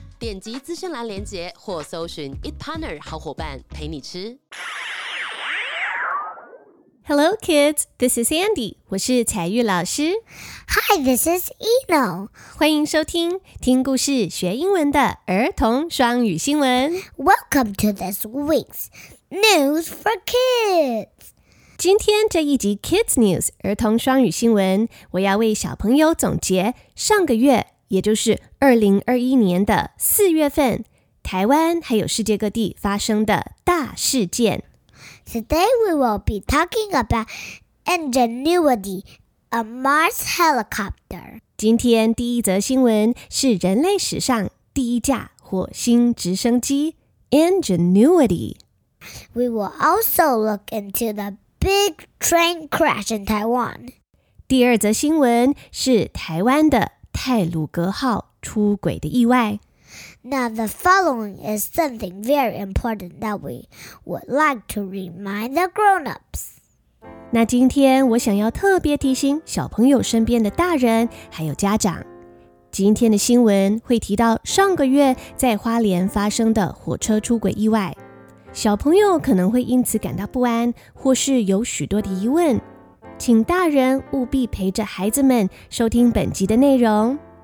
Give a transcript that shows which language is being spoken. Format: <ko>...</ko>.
<zh>点击资讯栏连结或搜寻 Eat Partner 好伙伴陪你吃。</zh> <en>Hello, kids. This is Andy.</en> <zh>我是彩玉老师。</zh> <en>Hi, this is Eno.</en> <zh>欢迎收听听故事学英文的儿童双语新闻。</zh> <en>Welcome to this week's news for kids.</en> <zh>今天这一集 Kids News 儿童双语新闻，我要为小朋友总结上个月，也就是2021年的4月份，台湾还有世界各地发生的大事件。</zh> <en>Today we will be talking about Ingenuity, a Mars helicopter.</en> <zh>今天第一则新闻是人类史上第一架火星直升机 Ingenuity.</zh> <en>We will also look into the big train crash in Taiwan.</en> <zh>第二则新闻是台湾的太鲁阁号出轨的意外。</zh> <en>Now the following is something very important that we would like to remind the grown-ups.</en> <zh>那今天我想要特别提醒小朋友身边的大人还有家长，今天的新闻会提到上个月在花莲发生的火车出轨意外，小朋友可能会因此感到不安或是有许多的疑问，请大人务必陪着孩子们收听本集的内容。</zh>